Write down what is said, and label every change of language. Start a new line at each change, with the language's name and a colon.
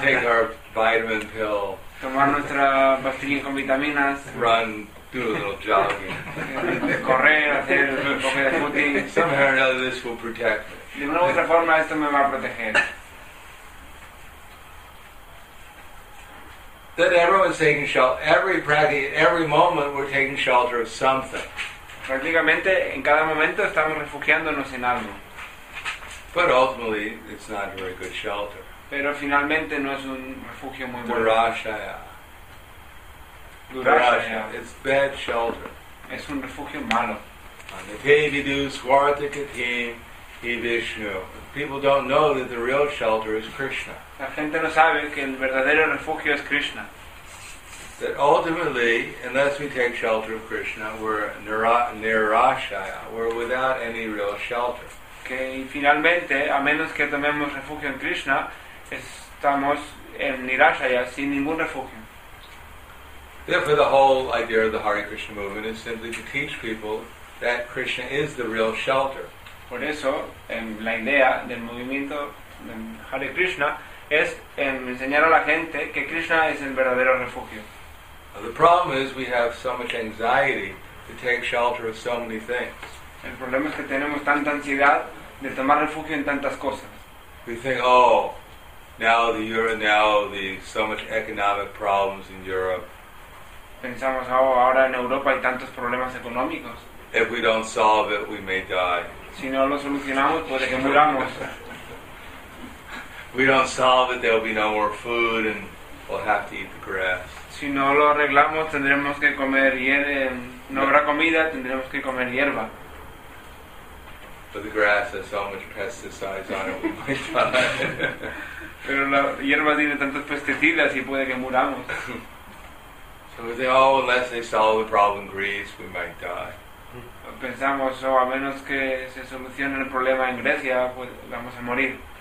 English: Take our vitamin pill.
Spanish: Tomar nuestra pastilla con vitaminas.
English: Run, do a little jogging.
Spanish: Correr, hacer un poco de footing.
English: Somehow or another, this will protect me.
Spanish: De una u otra forma, esto me va a proteger.
English: That everyone's taking shelter, every practice, every moment we're taking shelter of something.
Spanish: Prácticamente, en cada momento estamos refugiándonos en algo.
English: But ultimately, it's not a very good shelter.
Spanish: Pero finalmente no es un refugio muy bueno.
Sanskrit: Durashaya. Durashaya.
English: It's bad shelter.
Spanish: Es un refugio malo.
Sanskrit: Anatevidu, Swarthakatim, He Vishnu.
English: People don't know that the real shelter is Krishna.
Spanish: La gente no sabe que el verdadero refugio es Krishna.
English: That ultimately, unless we take shelter of Krishna, we're nirashaya, we're without any real shelter.
Spanish: Que finalmente, a menos que tomemos refugio en Krishna, estamos en nirashaya, sin ningún refugio.
English: Therefore, the whole idea of the Hare Krishna movement is simply to teach people that Krishna is the real shelter.
Spanish: Por eso, la idea del movimiento de Hare Krishna es enseñar a la gente que Krishna es el verdadero refugio.
English: The problem is we have so much anxiety to take shelter of so many things.
Spanish: El problema es que tenemos tanta ansiedad de tomar refugio en tantas cosas.
English: We think, oh, now the Euro, now the so much economic problems in Europe.
Spanish: Pensamos, oh, ahora en Europa hay tantos problemas económicos.
English: If we don't solve it, we may die.
Spanish: Si no lo solucionamos, puede que muramos.
English: We don't solve it, there will be no more food, and we'll have to eat the grass.
Spanish: Si no lo arreglamos, tendremos que comer no habrá comida, tendremos que comer hierba.
English: But the grass has so much pesticides on it, we might die.
Spanish: Pero la hierba tiene tantos pesticidas y puede que muramos.
English: So we say, oh, unless they solve the problem in Greece, we might die.
Spanish: Pensamos, oh, a menos que se solucione el problema en Grecia, pues vamos a morir.